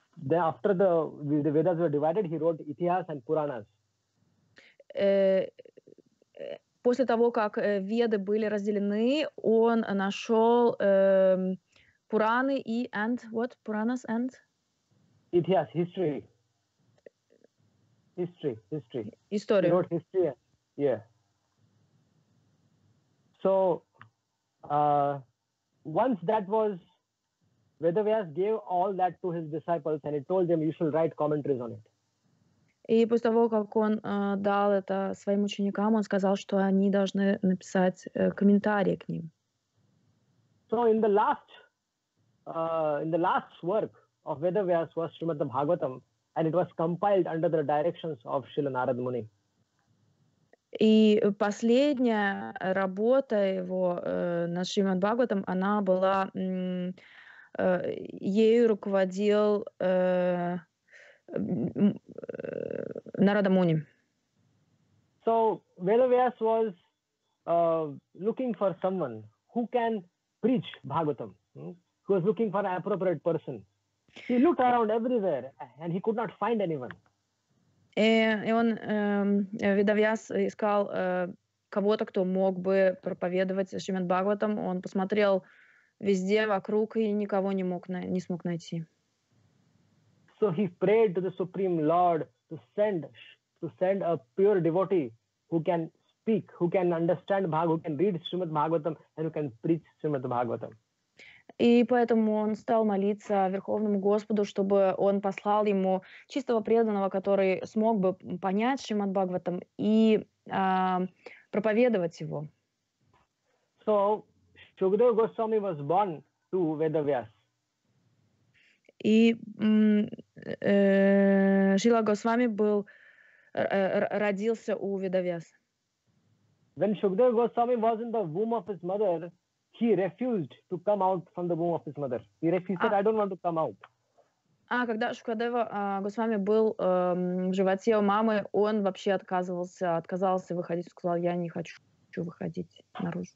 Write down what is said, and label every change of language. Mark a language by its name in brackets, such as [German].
[English] Then after the Vedas were divided, he wrote Itihas and Puranas. [Russian] После того, как Веды были разделены, он нашел Пураны и [English] and what? Puranas and? Itihas, history. History. [Russian] История. [English] He wrote history, yeah. So, once that was Vedavyas gave all that to his disciples and he told them, you should write commentaries on it. [Russian] И после того, как он дал это своим ученикам, он сказал, что они должны написать комментарии к ним. [English] So in the last work of Vedavyas was Shrimad Bhagavatam and it was compiled under the directions of Srila Narad Muni. [Russian] И последняя работа его над Шримад Бхагаватам, она была ею руководил Нарада Муни. [English] So Vedavyas was looking for someone who can preach Bhagavatam. He was looking for an appropriate person. He looked around everywhere and he could not find anyone. [Russian] И он Vedavyas искал кого-то, кто мог бы проповедовать Шримад Бхагаватам. Он посмотрел везде вокруг и никого не смог найти. [English] So he prayed to the Supreme Lord to send a pure devotee who can speak, who can understand Bhagavatam, who can read Srimad Bhagavatam and who can preach Srimad Bhagavatam. [Russian] И поэтому он стал молиться Верховному Господу, чтобы он послал ему чистого преданного, который смог бы понять Шримад Бхагаватам и проповедовать его. [English] So, Shukadeva Goswami was born to Vedavyas. [Russian] И Шрила Госвами был родился у Ведавьяс. [English] When Shukadeva Goswami was in the womb of his mother, he refused to come out from the womb of his mother. He said, I don't want to come out. [Russian] А когда Шукадева Госвами был в животе у мамы, он вообще отказался выходить, сказал, я не хочу выходить наружу.